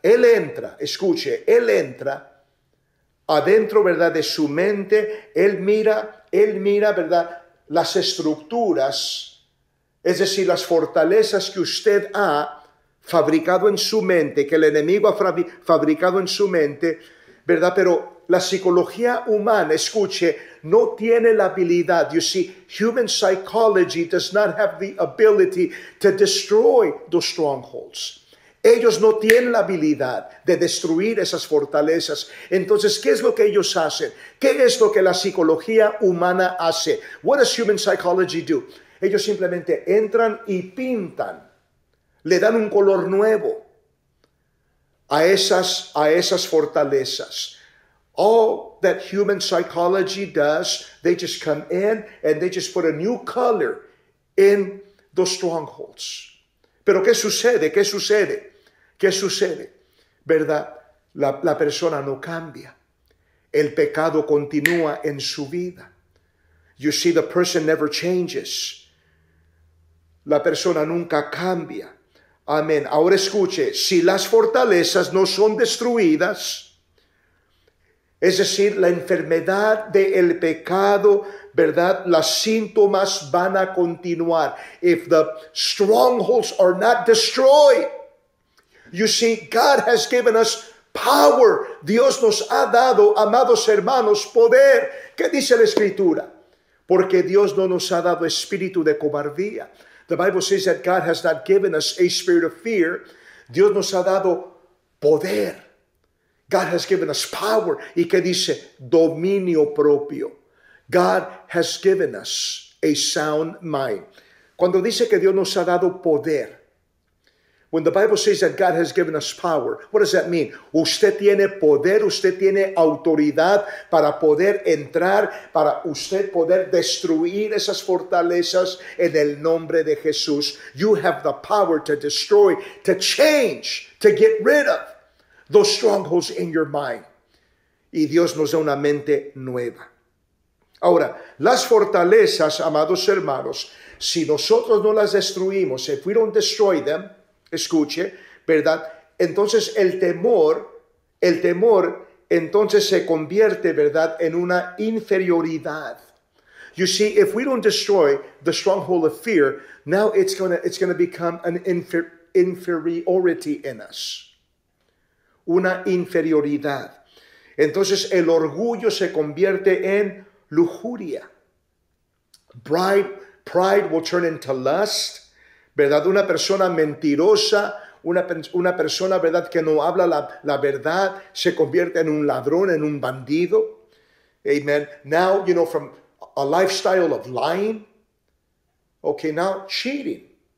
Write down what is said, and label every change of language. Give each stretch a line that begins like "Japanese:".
Spanish: Él entra, escuche, él entra adentro, ¿verdad?, de su mente, él mira, ¿verdad?, las estructuras, es decir, las fortalezas que usted ha fabricado en su mente, que el enemigo ha fabricado en su mente, ¿verdad? Pero la psicología humana, escuche, no tiene la habilidad.
English: You see, human psychology does not have the ability to destroy those strongholds.
Spanish: Ellos no tienen la habilidad de destruir esas fortalezas. Entonces, ¿qué es lo que ellos hacen? ¿Qué es lo que la psicología humana hace?
English: What does human psychology do?
Spanish: Ellos simplemente entran y pintan. Le dan un color nuevo a esas fortalezas.
English: All that human psychology does, they just come in and they just put a new color in those strongholds.
Spanish: Pero ¿qué sucede? ¿Qué sucede? ¿Qué sucede? ¿Verdad? La persona no cambia. El pecado continúa en su vida.
English: You see, the person never changes.
Spanish: La persona nunca cambia. Amén. Ahora escuche, si las fortalezas no son destruidas, es decir, la enfermedad del pecado, ¿verdad? Los síntomas van a continuar.
English: If the strongholds are not destroyed, you see, God has given us power.
Spanish: Dios nos ha dado, amados hermanos, poder. ¿Qué dice la Escritura? Porque Dios no nos ha dado espíritu de cobardía.
English: The Bible says that God has not given us a spirit of fear.
Spanish: Dios nos ha dado poder.
English: God has given us power.
Spanish: ¿Y qué dice? Dominio propio.
English: God has given us a sound mind.
Spanish: Cuando dice que Dios nos ha dado poder,
English: when the Bible says that God has given us power, what does that mean?
Spanish: Usted tiene poder, usted tiene autoridad para poder entrar, para usted poder destruir esas fortalezas en el nombre de Jesús.
English: You have the power to destroy, to change, to get rid of those strongholds in your mind.
Spanish: Y Dios nos da una mente nueva. Ahora, las fortalezas, amados hermanos, si nosotros no las destruimos,
English: if we don't destroy them,
Spanish: escuche, ¿verdad? Entonces el temor entonces se convierte, ¿verdad?, en una inferioridad.
English: You see, if we don't destroy the stronghold of fear, now it's gonna become an inferiority in us.
Spanish: Una inferioridad. Entonces el orgullo se convierte en lujuria.
English: Pride will turn into lust. ¿Verdad?
Spanish: Una persona mentirosa, una persona, ¿verdad?, que no habla la verdad, se convierte en un ladrón, en un bandido.
English: Amen. Now, you know, from a lifestyle of lying, okay, now cheating.